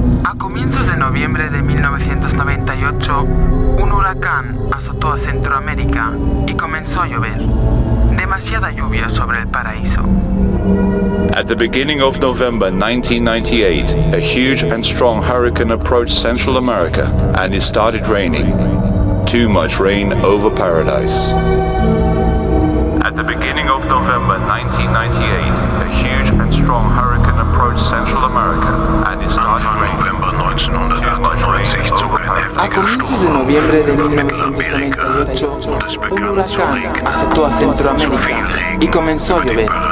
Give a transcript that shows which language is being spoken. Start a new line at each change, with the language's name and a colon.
Spanish: A comienzos de noviembre de 1998, un huracán azotó a Centroamérica y comenzó a llover. Demasiada lluvia sobre el paraíso.
English: At the beginning of November 1998, a huge and strong hurricane approached Central America and it started raining. Too much rain over paradise. At the beginning of November 1998, a huge and strong hurricane approached Central America and it started raining.
Spanish: A comienzos de noviembre de 1998, un huracán azotó a Centroamérica y comenzó a llover.